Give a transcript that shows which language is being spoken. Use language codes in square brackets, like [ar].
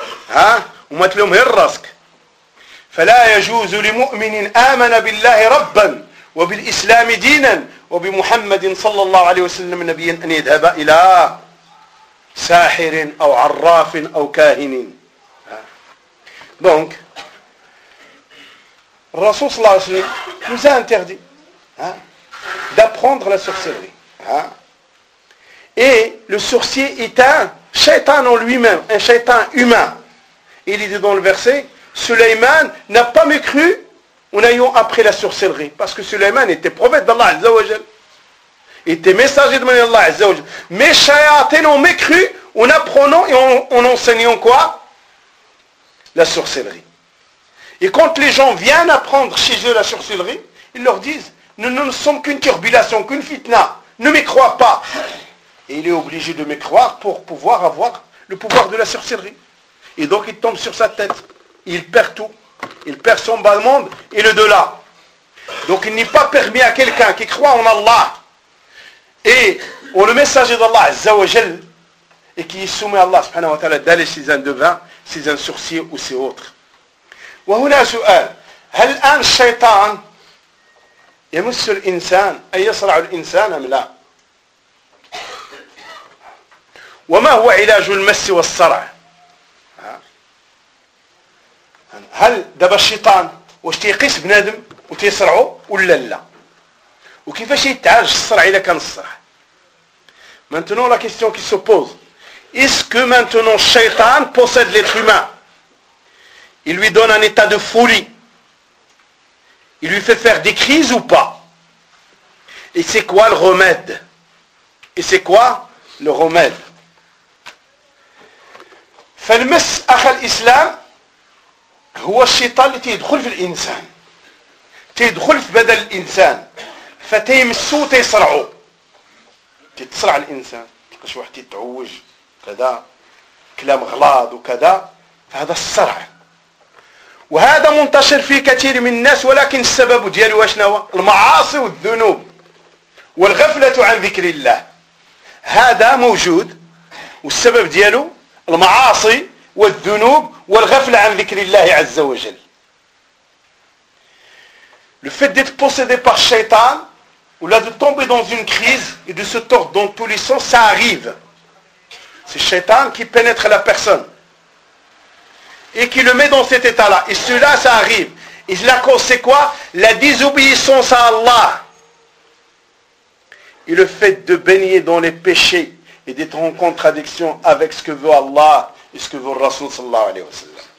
[ar] ها وما تلوم غير راسك فلا يجوز لمؤمن امن بالله ربا وبالاسلام دينا وبمحمد صلى الله عليه وسلم نبيا ان يذهب الى ساحر او عراف او كاهن دونك [fr] Le Rasoul sallallahu alayhi wa sallam nous a interdit d'apprendre la sorcellerie. Hein? Et le sorcier est un shaitan en lui-même, un shaitan humain. Il dit dans le verset, Sulaiman n'a pas mécru en ayant appris la sorcellerie. Parce que Sulaiman était prophète d'Allah Azza wa Jal. Il était messager de manière d'Allah Azza wa Jal. Mais shayatin ont mécru en apprenant et en enseignant quoi? La sorcellerie. Et quand les gens viennent apprendre chez eux la sorcellerie, ils leur disent, nous ne sommes qu'une turbulation, qu'une fitna, ne m'y crois pas. Et il est obligé de m'y croire pour pouvoir avoir le pouvoir de la sorcellerie. Et donc il tombe sur sa tête, il perd tout, il perd son bas monde et le delà. Donc il n'est pas permis à quelqu'un qui croit en Allah et en le messager d'Allah, Azza wa Jal, et qui est soumis à Allah subhanahu wa ta'ala, d'aller chez un devin, chez un sorcier ou chez autre. [ar] وهنا سؤال هل الآن الشيطان يمس الإنسان أي يصرع الإنسان أم لا وما هو علاج المس والصرع؟ هل دابا الشيطان واش تيقيس بنادم وتيصرعو ولا لا؟ وكيفاش يتعالج الصرع اذا كان الصرع؟ [fr] Maintenant la question qui se pose, est-ce que maintenant Shaitan possède l'être humain? Il lui donne un état de folie. Il lui fait faire des crises ou pas? Et c'est quoi le remède? Et c'est quoi le remède? [ar] فالمس اخ الاسلام هو الشيطان اللي تيدخل في الانسان. تيدخل في بدن الانسان فتيمسو وتيصرعو. تتصرع الانسان كاش واحد يتعوج كذا كلام غلاظ وكذا فهذا الصرع وهذا منتشر في كثير من الناس ولكن السبب ديالو اشنو هو المعاصي والذنوب والغفله عن ذكر الله هذا موجود والسبب ديالو المعاصي والذنوب والغفله عن ذكر الله عز وجل [fr] le fait d'être possédé par Shaitan ou là de tomber dans une crise et de se tordre dans tous les sens, ça arrive. C'est Shaitan qui pénètre la personne et qui le met dans cet état-là. Et cela, ça arrive. Et la cause, c'est quoi? La désobéissance à Allah. Et le fait de baigner dans les péchés et d'être en contradiction avec ce que veut Allah et ce que veut Rasoul sallallahu alayhi wa sallam.